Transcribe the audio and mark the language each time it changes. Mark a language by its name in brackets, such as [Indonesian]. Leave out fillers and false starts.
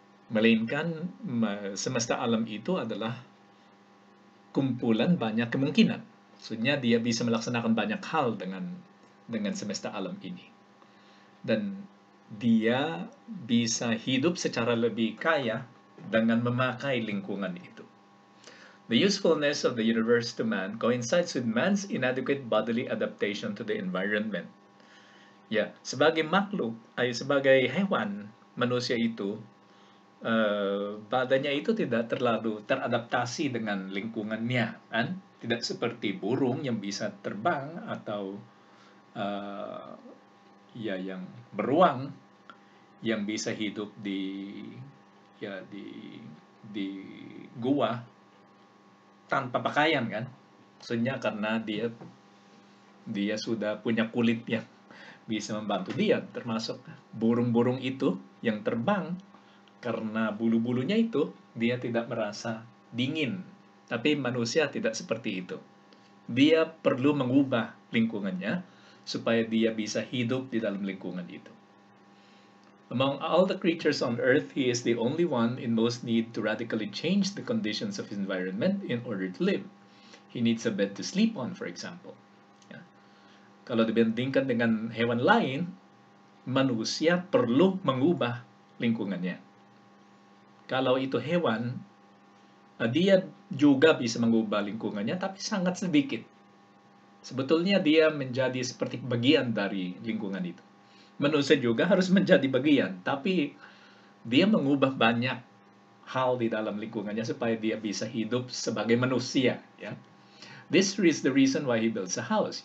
[Indonesian] Melainkan semesta alam itu adalah kumpulan banyak kemungkinan. Maksudnya dia bisa melaksanakan banyak hal dengan semesta alam ini. Dan dia bisa hidup secara lebih kaya dengan memakai lingkungan itu. [English] The usefulness of the universe to man coincides with man's inadequate bodily adaptation to the environment. [Indonesian] Ya, sebagai makhluk, sebagai hewan, manusia itu, badannya itu tidak terlalu teradaptasi dengan lingkungannya. Kan? Tidak seperti burung yang bisa terbang atau yang beruang yang bisa hidup di gua tanpa pakaian kan, maksudnya karena dia sudah punya kulit yang bisa membantu dia, termasuk burung-burung itu yang terbang karena bulu-bulunya itu dia tidak merasa dingin, tapi manusia tidak seperti itu, dia perlu mengubah lingkungannya supaya dia bisa hidup di dalam lingkungan itu. [English] Among all the creatures on earth, he is the only one in most need to radically change the conditions of his environment in order to live. He needs a bed to sleep on, for example. [Indonesian] Ya. Kalau dibandingkan dengan hewan lain, manusia perlu mengubah lingkungannya. Kalau itu hewan, dia juga bisa mengubah lingkungannya, tapi sangat sedikit. Sebetulnya dia menjadi seperti bagian dari lingkungan itu. Manusia juga harus menjadi bagian, tapi dia mengubah banyak hal di dalam lingkungannya supaya dia bisa hidup sebagai manusia. Ya. [English] This is the reason why he builds a house.